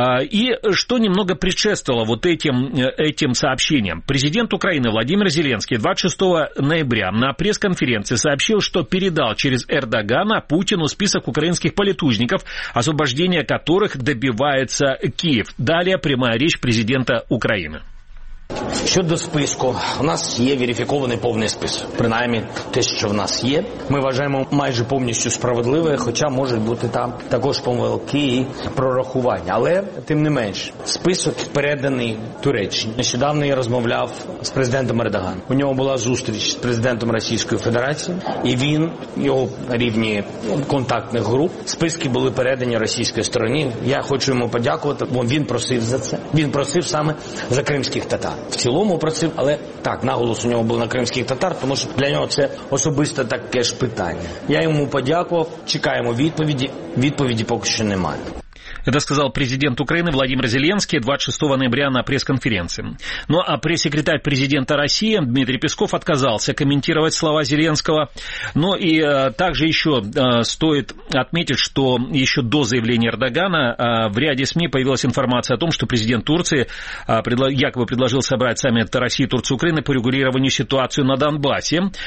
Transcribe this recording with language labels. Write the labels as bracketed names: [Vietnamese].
[Russian] И что немного предшествовало вот этим сообщениям? Президент Украины Владимир Зеленский 26 ноября на пресс-конференции сообщил, что передал через Эрдогана Путину список украинских политузников, освобождение которых добивается Киев. Далее прямая речь президента Украины. [Ukrainian] Щодо списку, у нас є верифікований повний список. Принаймні, те, що в нас є, ми вважаємо майже повністю справедливе, хоча можуть бути там також помилки і прорахування. Але, тим не менш, список переданий Туреччині. Нещодавно я розмовляв з президентом Ердоганом. У нього була зустріч з президентом Російської Федерації, і він, його рівні контактних груп, списки були передані російській стороні. Я хочу йому подякувати, бо він просив за це. Він просив саме за кримських татар. В цілому просив, але так, наголос у нього був на кримських татар, тому що для нього це особисте таке ж питання. Я йому подякував, чекаємо відповіді поки що немає. [Russian] Это сказал президент Украины Владимир Зеленский 26 ноября на пресс-конференции. Ну а пресс-секретарь президента России Дмитрий Песков отказался комментировать слова Зеленского. Ну и также еще стоит отметить, что еще до заявления Эрдогана в ряде СМИ появилась информация о том, что президент Турции якобы предложил собрать саммит России, Турции, Украины по регулированию ситуации на Донбассе.